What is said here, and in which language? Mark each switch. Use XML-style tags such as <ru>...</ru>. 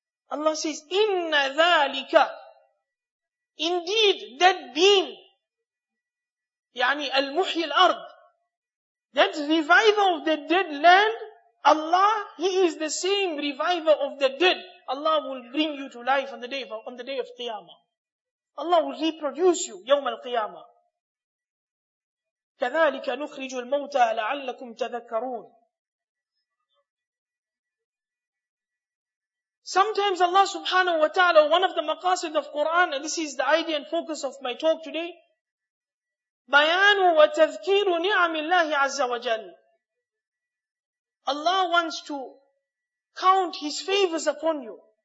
<en>Allah says, Inna ذَٰلِكَ. Indeed, that beam,</en> <ar>يعني المحي الأرض,</ar> <en>that revival of the dead land, Allah, He is the same reviver of the dead. Allah will bring you to life on the day of Qiyamah. Allah will reproduce you, يوم القيامة.</en> <ar>كذلك نخرج الموتى لعلكم تذكرون.</ar> <en>Sometimes Allah subhanahu wa ta'ala, one of the maqasid of Quran, and this is the idea and focus of my talk today,</en> <ar>بيان وتذكير نعم الله عز وجل.</ar> <en>Allah wants to count His favors upon you.</en>